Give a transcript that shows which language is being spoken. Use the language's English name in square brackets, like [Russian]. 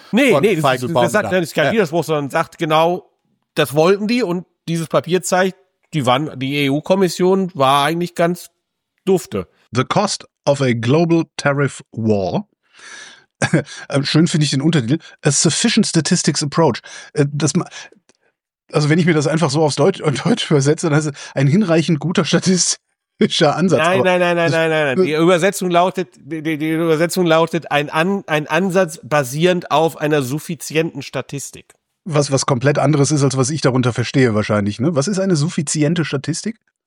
[German] Feigelbaum. Das ist kein Widerspruch, sondern sagt genau, das wollten die und dieses Papier zeigt, die EU-Kommission war eigentlich ganz dufte. [English] The cost of a global tariff war. [German] Schön finde ich den Untertitel. [English] A sufficient statistics approach. [German] Also wenn ich mir das einfach so auf Deutsch übersetze, dann heißt es ein hinreichend guter Statist. Ansatz. Nein. Die Übersetzung lautet ein Ansatz basierend auf einer suffizienten Statistik. Was komplett anderes ist, als was ich darunter verstehe wahrscheinlich. Ne? Was ist eine suffiziente Statistik?